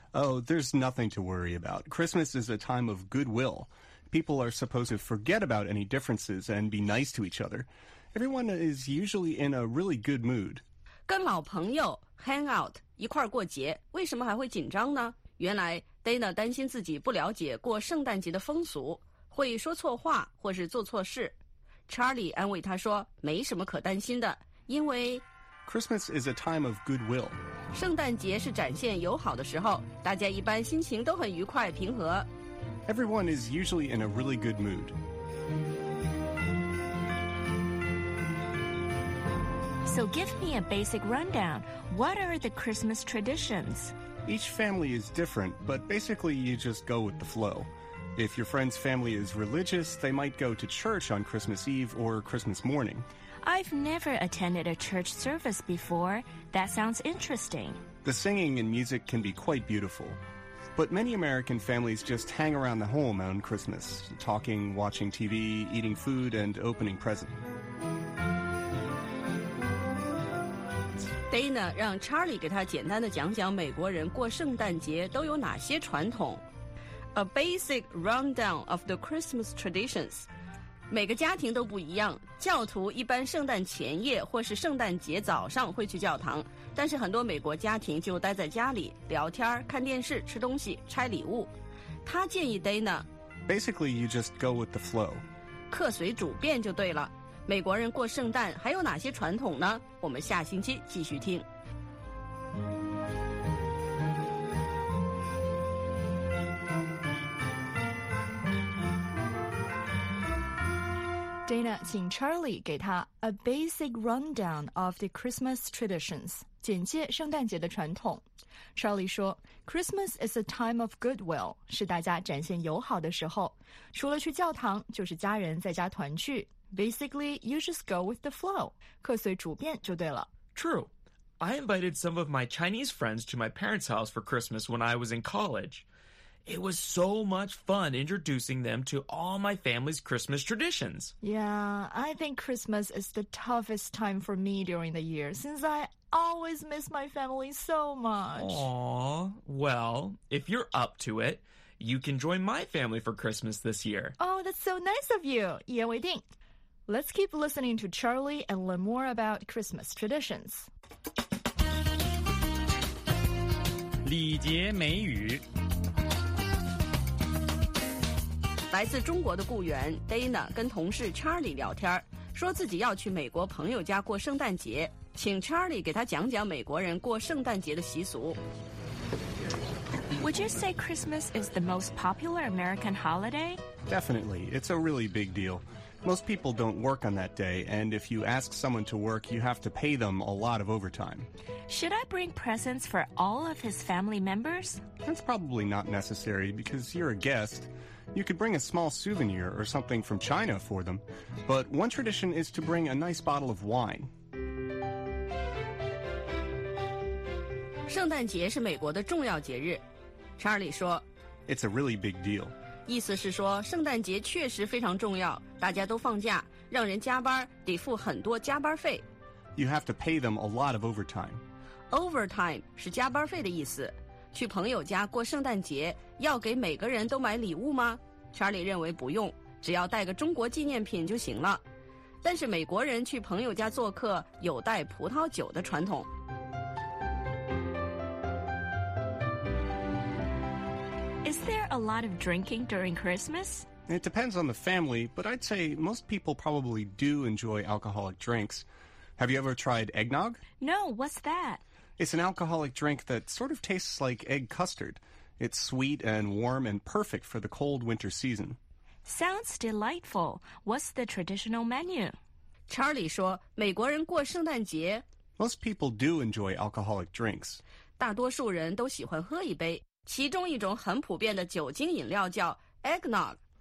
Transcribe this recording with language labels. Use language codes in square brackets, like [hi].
[en] Oh, there's nothing to worry about. Christmas is a time of goodwill. People are supposed to forget about any differences and be nice to each other. Everyone is usually in a really good mood. [zh] 跟老朋友 [en] hang out [zh] 一块儿过节，为什么还会紧张呢？原来 Dana 担心自己不了解过圣诞节的风俗，会说错话或是做错事。 Charlie 安慰他说没什么可担心的，因为 [en] Christmas is a time of goodwill， [zh] 圣诞节是展现友好的时候，大家一般心情都很愉快平和。 [en] Everyone is usually in a really good mood。 So give me a basic rundown. What are the Christmas traditions? Each family is different, but basically you just go with the flow. If your friend's family is religious, they might go to church on Christmas Eve or Christmas morning. I've never attended a church service before. That sounds interesting. The singing and music can be quite beautiful. But many American families just hang around the home on Christmas, talking, watching TV, eating food, and opening presents. [zh] Dana 让 Charlie 给他简单的讲讲美国人过圣诞节都有哪些传统。 [en] A basic rundown of the Christmas traditions， [zh] 每个家庭都不一样，教徒一般圣诞前夜或是圣诞节早上会去教堂，但是很多美国家庭就待在家里聊天、看电视、吃东西、拆礼物。他建议 Dana [en] basically you just go with the flow， [zh] 客随主便就对了。美国人过圣诞还有哪些传统呢？我们下星期继续听。 Dana 请 Charlie 给他 [en] a basic rundown of the Christmas traditions， [zh] 简介圣诞节的传统。 Charlie 说 ， [en] Christmas is a time of goodwill， [zh] 是大家展现友好的时候，除了去教堂，就是家人在家团聚。 [en] Basically, you just go with the flow. [zh] 客随主便就对了。 [en] True. I invited some of my Chinese friends to my parents' house for Christmas when I was in college. It was so much fun introducing them to all my family's Christmas traditions. Yeah, I think Christmas is the toughest time for me during the year, since I always miss my family so much. Aww. Well, if you're up to it,you can join my family for Christmas this year. Oh, that's so nice of you. [zh] 一言为定。 [en] Let's keep listening to Charlie and learn more about Christmas traditions. [zh] 礼节美语。来自中国的雇员 Dana 跟同事 Charlie 聊天，说自己要去美国朋友家过圣诞节，请 Charlie 给他讲讲美国人过圣诞节的习俗。 [en] Would you say Christmas is the most popular American holiday? Definitely. It's a really big deal. Most people don't work on that day, and if you ask someone to work, you have to pay them a lot of overtime. Should I bring presents for all of his family members? That's probably not necessary, because you're a guest. You could bring a small souvenir or something from China for them. But one tradition is to bring a nice bottle of wine. [zh] 圣诞节是美国的重要节日，查理说 [en] It's a really big deal， [zh] 意思是说圣诞节确实非常重要，大家都放假，让人加班得付很多加班费。 [en] You have to pay them a lot of overtime。 [zh] Overtime 是加班费的意思。去朋友家过圣诞节要给每个人都买礼物吗？查理认为不用，只要带个中国纪念品就行了。但是美国人去朋友家做客有带葡萄酒的传统。 [en] Is there a lot of drinking during Christmas? It depends on the family, but I'd say most people probably do enjoy alcoholic drinks. Have you ever tried eggnog? No, what's that? It's an alcoholic drink that sort of tastes like egg custard. It's sweet and warm and perfect for the cold winter season. Sounds delightful. What's the traditional menu? [zh] Charlie 说美国人过圣诞节 [en] Most people do enjoy alcoholic drinks. [zh] 大多数人都喜欢喝一杯。其中一种很普遍的酒精饮料叫 eggnog。